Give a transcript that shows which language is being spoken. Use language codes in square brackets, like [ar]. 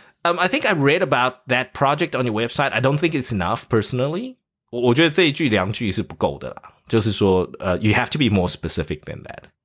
[en] I think I read about that project on your website. I don't think it's enough, personally. [zh] 我觉得这一句两句是不够的啦。就是说、 [en] you have to be more specific than that.